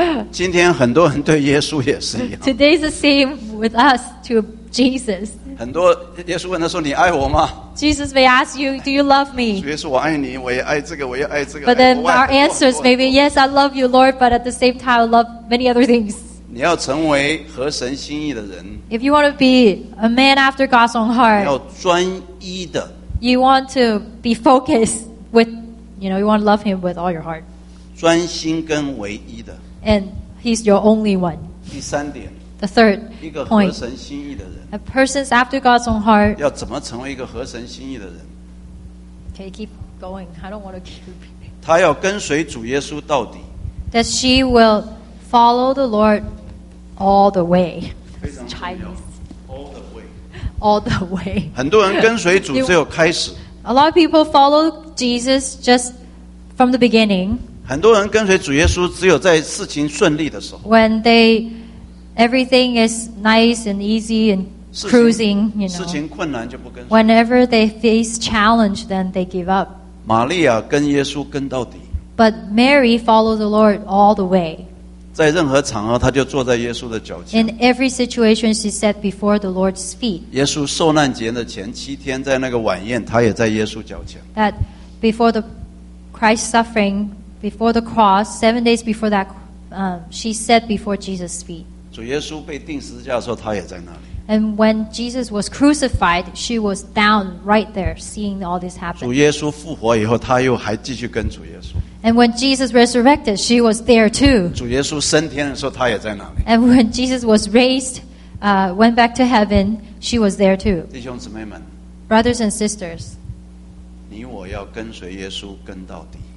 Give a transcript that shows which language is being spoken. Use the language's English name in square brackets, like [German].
[Chinese] 今天很多人对耶稣也是一样。 [English] Today's the same with us to Jesus. [Chinese] 很多耶稣问他说：“你爱我吗？” [English] Jesus may ask you, "Do you love me?" [Chinese] 主耶稣，我爱你，我也爱这个，我也爱这个。 [English] But then our answers may be, "Yes, I love you, Lord," but at the same time, I love many other things. [Chinese] 你要成为合神心意的人。 [English] If you want to be a man after God's own heart, [Chinese] 你要专。 [English] You want to be focused with, you know, you want to love him with all your heart. [Chinese] 专心跟唯一的 [English] And he's your only one. [Chinese] 第三点 [English] The third point. [Chinese] 一个合神心意的人 [English] A person's after God's own heart. [Chinese] 要怎么成为一个合神心意的人 [English] Okay, keep going. I don't want to keep. [Chinese] 他要跟随主耶稣到底 [English] That she will follow the Lord all the way. Chinese. All the way. [Chinese] 很多人跟随主只有开始。 [English] A lot of people follow Jesus just from the beginning. [Chinese] 很多人跟随主耶稣只有在事情顺利的时候。 [English] When everything is nice and easy and cruising, you know. [Chinese] 事情困难就不跟随。 [English] Whenever they face challenge, then they give up. [Chinese] 玛利亚跟耶稣跟到底。 [English] But Mary followed the Lord all the way. [Chinese] 在任何场合，他就坐在耶稣的脚前。 [English] In every situation, she sat before the Lord's feet. [Chinese] 耶稣受难节的前七天，在那个晚宴，他也在耶稣脚前。 [English] That before the Christ's suffering, before the cross, 7 days before that, she sat before Jesus' feet. [Chinese] 主耶稣被钉十字架的时候，他也在那里。 [English] And when Jesus was crucified, she was down right there, seeing all this happen. [Chinese] 主耶稣复活以后，他又还继续跟主耶稣。 [English] And when Jesus resurrected, she was there too. [Chinese] 主耶稣升天的时候，她也在那里。 [English] And when Jesus was raised, went back to heaven, she was there too. [Chinese] 弟兄姊妹们 [English] brothers and sisters, [Chinese] 你我要跟随耶稣跟到底。